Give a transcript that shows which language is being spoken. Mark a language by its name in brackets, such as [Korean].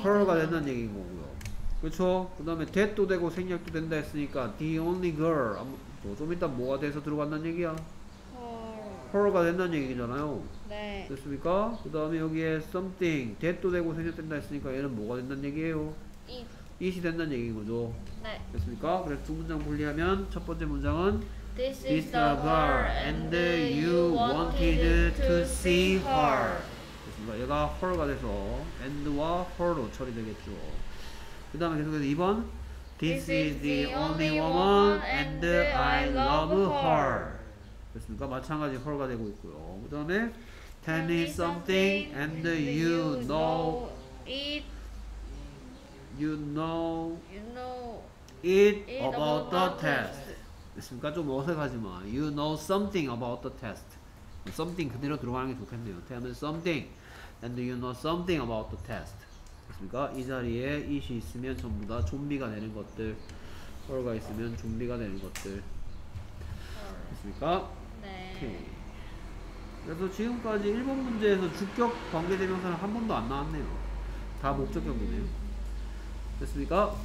[Korean] her가 된다는 얘기인 거고요. 그렇죠? 그 다음에 that도 되고 생략도 된다 했으니까 the only girl 뭐 좀 이따 뭐가 돼서 들어간다는 얘기야? her가 된다는 얘기잖아요. 네. 됐습니까? 그 다음에 여기에 something that도 되고 생략된다 했으니까 얘는 뭐가 된다는 얘기예요? it이 된다는 얘기인 거죠. 네. 됐습니까? 그래서 두 문장 분리하면 첫 번째 문장은 [English] this is the girl and you wanted to see her. [Korean] 됐습니까? 얘가 her가 돼서 and와 her로 처리되겠죠. 그 다음에 계속해서 2번 [English] This is the only woman and I love her. [Korean] 됐습니까? 마찬가지 her가 되고 있고요. 그 다음에 [English] Tell me something and you know it you know it about the test. [Korean] 됐습니까? 좀 어색하지만 [English] You know something about the test. [Korean] Something 그대로 들어가는 게 좋겠네요. [English] Tell me something and you know something about the test. [Korean] 됐습니까? 이 자리에 it이 있으면 전부 다 좀비가 되는 것들 her가 있으면 좀비가 되는 것들 됐습니까? 네. 그래서 지금까지 1번 문제에서 주격 관계대명사는 한 번도 안 나왔네요. 다 목적격이네요. 됐습니까?